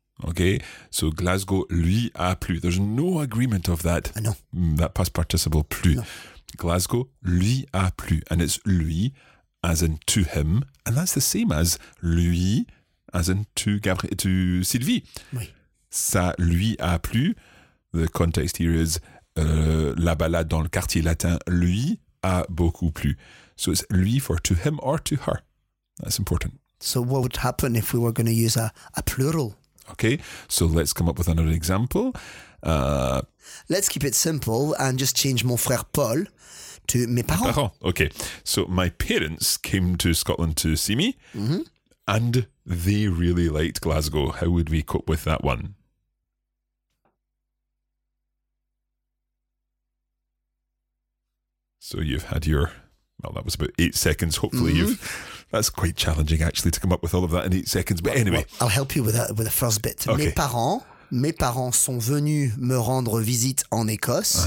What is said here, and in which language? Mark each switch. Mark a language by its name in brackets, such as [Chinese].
[English] Okay, so Glasgow [French] lui a plu. [English] There's no agreement of that. I know. That past participle plu. No. [French] Glasgow lui a plu. [English] And it's lui as in to him. And that's the same as lui as in to Gabriel, to Sylvie. [French] Oui. Ça lui a plu. [English] The context here is [French] la balade dans le quartier latin lui a beaucoup plu. [English] So it's lui for to him or to her. That's important. So what would happen if we were going to use a plural? Okay, so let's come up with another example. Let's keep it simple and just change [French] mon frère Paul [English] to [French] mes parents. Mes parents. [English] Okay, so my parents came to Scotland to see me. Mm-hmm. And they really liked Glasgow. How would we cope with that one? So you've had your... Well, that was about 8 seconds. Hopefully mm-hmm. That's quite challenging, actually, to come up with all of that in 8 seconds. But anyway... Well, I'll help you with that, with the first bit. Okay. [French] Mes parents sont venus me rendre visite en Écosse.